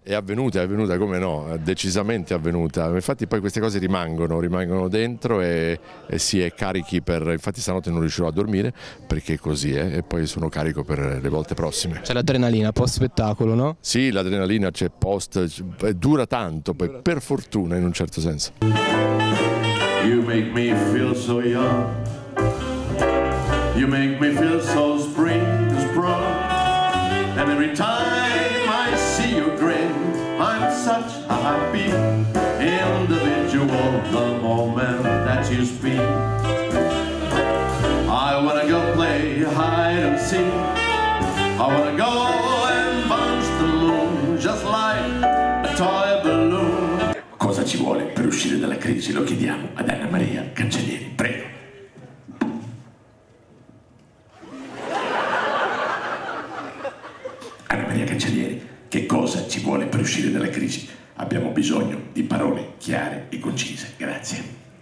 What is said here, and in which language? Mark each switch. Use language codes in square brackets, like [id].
[it] È avvenuta, come no, decisamente avvenuta, infatti poi queste cose rimangono dentro e si è carichi per, infatti stanotte non riuscirò a dormire perché così è, e poi sono carico per le volte prossime. C'è l'adrenalina post spettacolo, no? Sì, l'adrenalina c'è post, dura tanto, poi, per fortuna in un certo senso. [en] You make me feel so young. You make me feel so spring is sprung, and every time I see you grin, I'm such a happy individual the moment that you speak. I wanna go play hide and seek. I wanna go and punch the moon just like a toy balloon. [it] Cosa ci vuole per uscire dalla crisi? Lo chiediamo ad Anna Maria Cancellieri, prego. Anna Maria Cancellieri, che cosa ci vuole per uscire dalla crisi? Abbiamo bisogno di parole chiare e concise, grazie.